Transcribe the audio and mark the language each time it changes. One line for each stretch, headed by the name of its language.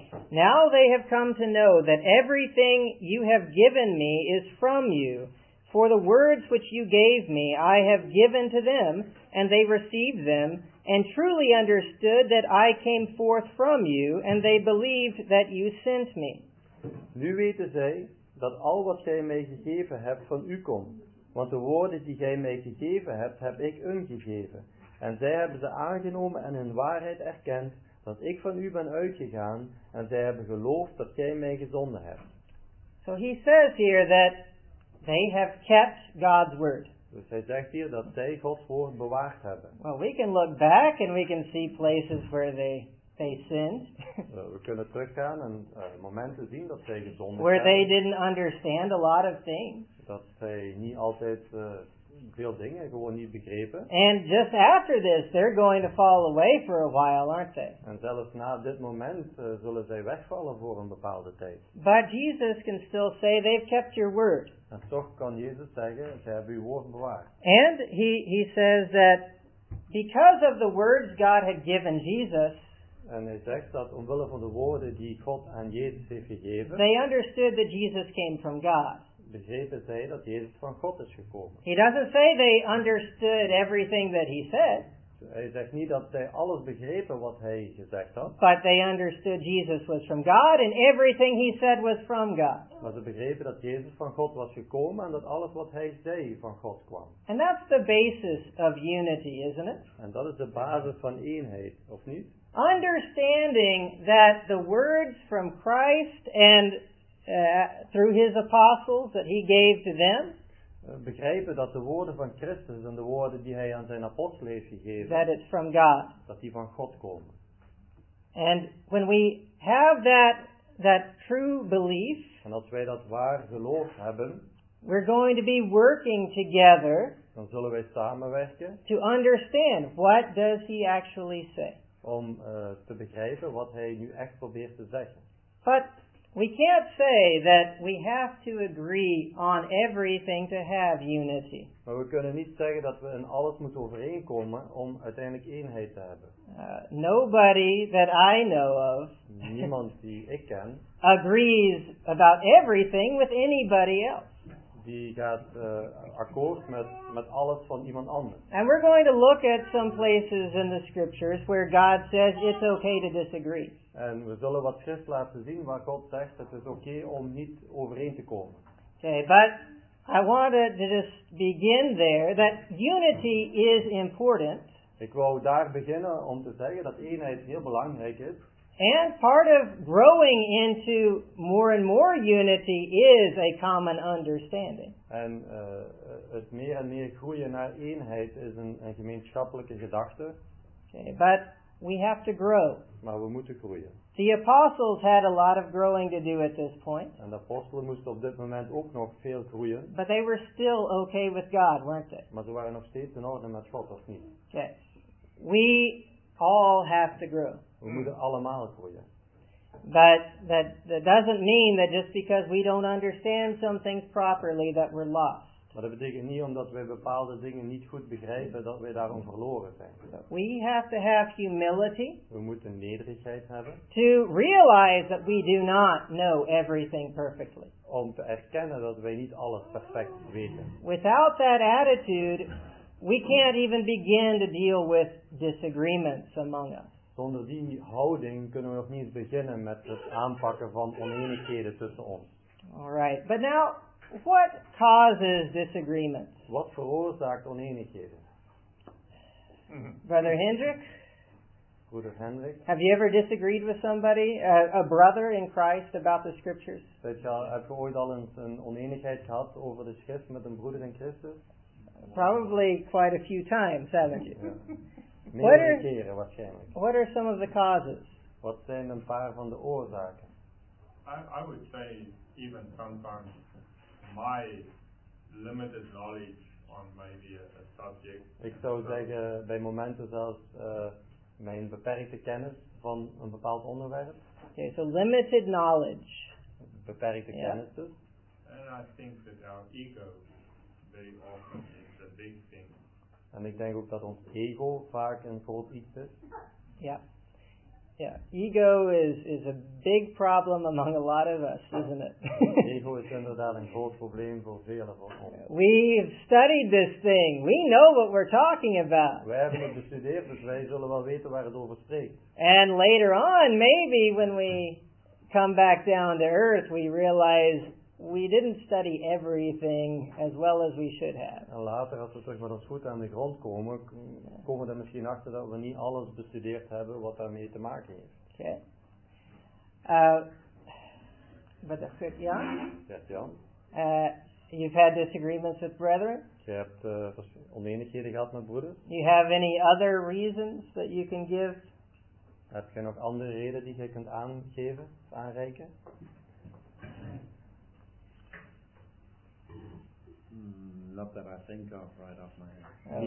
English: Now they have come to know that everything you have given me is from you. For the words which you gave me, I have given to them, and they received them, and truly understood that I came forth from you, and they believed that you sent me.
Dutch: Nu weten zij dat al wat gij mij gegeven hebt van u komt, want de woorden die gij mij gegeven hebt, heb ik hun gegeven. En zij hebben ze aangenomen en hun waarheid erkend, dat ik van u ben uitgegaan, en zij hebben geloofd dat gij mij gezonden hebt.
English: So he says here that they have kept God's word.
Dutch: Dus hij zegt hier dat zij Gods woord bewaard hebben.
English: Well, we can look back and we can see places where they sinned.
Dutch: We kunnen teruggaan en momenten zien dat zij gezonden hebben.
English: Where they didn't understand a lot of things.
Dutch: dat zij niet altijd veel dingen gewoon niet begrepen.
English: And just after this, they're going to fall away for a while, aren't they?
Dutch: En zelfs na dit moment zullen zij wegvallen voor een bepaalde tijd.
English: But Jesus can still say, they've kept your word.
Dutch: En toch kan Jezus zeggen, zij hebben uw woord bewaard.
English: And he says that because of the words God had given Jesus,
Dutch: en hij zegt dat omwille van de woorden die God aan Jezus heeft gegeven,
English: they understood that Jesus came from God.
Dutch: Begrepen zij dat Jezus van God is gekomen.
English: He doesn't say they understood everything that he said.
Dutch: Hij zegt niet dat zij alles begrepen wat hij gezegd had.
English: But they understood Jesus was from God and everything he said was from God.
Dutch: Maar ze begrepen dat Jezus van God was gekomen en dat alles wat hij zei van God kwam.
English: And that's the basis of unity, isn't it?
Dutch: En dat is de basis van eenheid, of niet?
English: Understanding that the words from Christ and through his apostles that he gave to them.
Dutch: Begrijpen dat de woorden van Christus en de woorden die hij aan zijn apostelen heeft gegeven,
English: that it's from God.
Dutch: Dat die van God komen.
English: And when we have that true belief,
Dutch: en als wij dat waar geloof hebben,
English: we're going to be working together,
Dutch: dan zullen wij samenwerken,
English: to understand what does he actually say.
Dutch: Om te begrijpen wat hij nu echt probeert te zeggen.
English: But we can't say that we have to agree on everything to have unity.
Dutch: Maar we kunnen niet zeggen dat we in alles moeten overeenkomen om uiteindelijk eenheid te hebben.
English: Nobody that I know of
Dutch: niemand die ik ken
English: agrees about everything with anybody else.
Dutch: Die gaat akkoord met alles van iemand anders.
English: And we're going to look at some places in the scriptures where God says it's okay to disagree.
Dutch: En we zullen wat schrift laten zien waar God zegt het is oké om niet overeen te komen.
English: Okay, but I wanted to just begin there that unity is important.
Dutch: Ik wou daar beginnen om te zeggen dat eenheid heel belangrijk is.
English: And part of growing into more and more unity is a common understanding.
Dutch: En het meer en meer groeien naar eenheid is een gemeenschappelijke gedachte.
English: Okay, but we have to grow.
Dutch: Maar we moeten groeien.
English: The apostles had a lot of growing to do at this point.
Dutch: En de apostelen moesten op dit moment ook nog veel groeien.
English: But they were still okay with God, weren't they?
Dutch: Maar ze waren nog steeds in orde met God, of niet?
English: Okay. We all have to grow.
Dutch: We moeten allemaal groeien.
English: But that doesn't mean that just because we don't understand some things properly that we're lost.
Dutch: Maar dat betekent niet omdat wij bepaalde dingen niet goed begrijpen dat wij daarom verloren zijn.
English: We have to have humility.
Dutch: We moeten nederigheid hebben.
English: To realize that we do not know everything perfectly.
Dutch: Om te erkennen dat wij niet alles perfect weten.
English: Without that attitude, we can't even begin to deal with disagreements among us.
Dutch: Zonder die houding kunnen we nog niet beginnen met het aanpakken van oneenigheden tussen ons.
English: All right, but now, what causes disagreement?
Dutch: Wat veroorzaakt oneenigheden?
English: Brother Hendricks?
Dutch: Broeder Hendricks?
English: Have you ever disagreed with somebody, a brother in Christ, about the scriptures?
Dutch: Heb je ooit al eens een oneenigheid gehad over de schrift met een broeder in Christus?
English: Probably quite a few times, haven't you?
Dutch: Meerdere keren waarschijnlijk.
English: What are some of the causes?
Dutch: Wat zijn een paar van de oorzaken?
English: I would say even sometimes my limited knowledge on maybe a subject.
Dutch: Ik zou zeggen bij momenten zelfs mijn beperkte kennis van een bepaald onderwerp.
English: Okay, so limited knowledge.
Dutch: Beperkte kennis dus.
English: And I think that our ego very often is a big thing.
Dutch: En ik denk ook dat ons ego vaak een groot iets is.
English: Yeah, ego is a big problem among a lot of us, isn't it?
Dutch: Ego is inderdaad een groot probleem voor velen van ons.
English: We've studied this thing. We know what we're talking about.
Dutch: We hebben het bestudeerd, dus wij zullen wel weten waar het over spreekt.
English: And later on, maybe when we come back down to earth, we realize we didn't study everything as well as we should have.
Dutch: En later, als we terug met ons voet aan de grond komen, komen we er misschien achter dat we niet alles bestudeerd hebben wat daarmee te maken heeft. Oké.
English: Brother Christian? Yes, Jan. You've had disagreements with brethren?
Dutch: Je hebt oneenigheden gehad met broeders.
English: You have any other reasons that you can give?
Dutch: Heb je nog andere redenen die je kunt aangeven, aanreiken?
English: up that I think of right off my head.